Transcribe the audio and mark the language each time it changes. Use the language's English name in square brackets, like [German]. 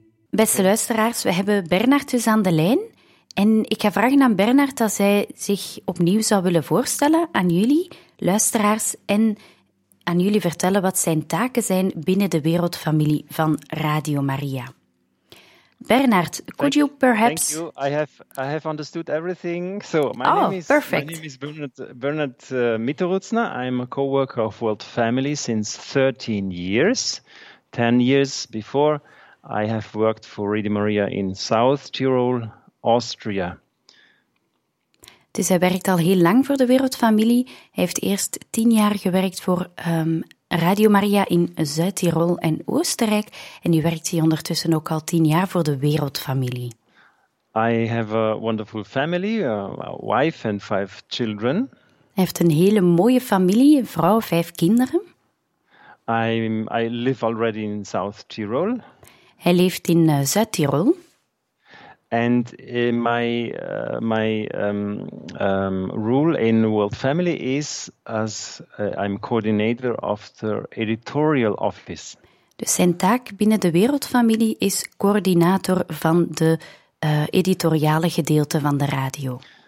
[Dutch] Beste luisteraars, we hebben Bernard dus aan de lijn. En ik ga vragen aan Bernard dat hij zich opnieuw zou willen voorstellen aan jullie, luisteraars, en aan jullie vertellen wat zijn taken zijn binnen de wereldfamilie van Radio Maria. [English] Bernard, could you perhaps... Thank you. I have understood everything. So my name is Bernard Mitterutzner. I'm a co-worker of World Family since 13 years, 10 years before. I have worked for Radio Maria in South Tyrol, Austria. [Dutch] Dus hij werkt al heel lang voor de Wereldfamilie. Hij heeft eerst 10 jaar gewerkt voor Radio Maria in Zuid-Tirol en Oostenrijk. En nu werkt hij ondertussen ook al 10 jaar voor de Wereldfamilie. [English] I have a wonderful family, a wife and 5 children. [Dutch] Hij heeft een hele mooie familie, een vrouw, 5 kinderen. [English] I live already in South Tyrol. [Dutch] Hij leeft in Zuid-Tirol. [English] And my role in World Family is as I'm coordinator of the editorial office. [Dutch] Dus zijn taak binnen de Wereldfamilie is coördinator van de editoriale gedeelte van de radio.